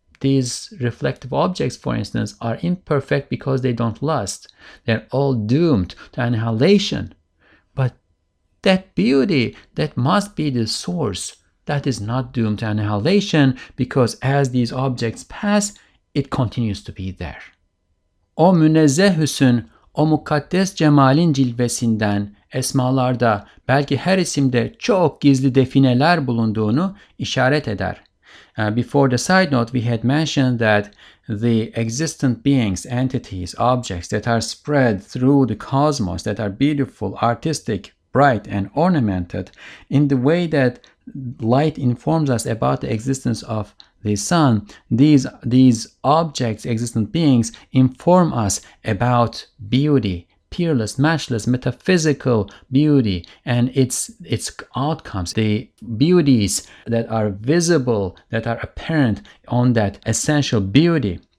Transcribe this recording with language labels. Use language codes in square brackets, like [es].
[en] These reflective objects, for instance, are imperfect because they don't last. They're all doomed to annihilation. But that beauty that must be the source, that is not doomed to annihilation, because as these objects pass, it continues to be there. [tr] O münezzeh hüsn, o mukaddes cemalin cilvesinden esmalarda belki her isimde çok gizli defineler bulunduğunu işaret eder. [en] Before the side note, we had mentioned that the existent beings, entities, objects that are spread through the cosmos that are beautiful, artistic, bright, and ornamented, in the way that light informs us about the existence of the sun, these objects, existent beings, inform us about beauty, peerless, matchless, metaphysical beauty, and its outcomes, the beauties that are visible, that are apparent on that essential beauty.